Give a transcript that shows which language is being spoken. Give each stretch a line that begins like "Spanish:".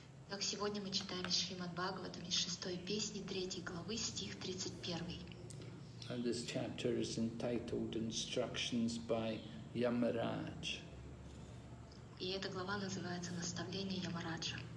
Russian: Так сегодня мы читаем Шримад Бхагаватам из шестой песни, третьей главы, стих 31.
English: And this chapter is entitled Instructions by Yamaraj.
Russian: И эта глава называется «Наставление Ямараджа».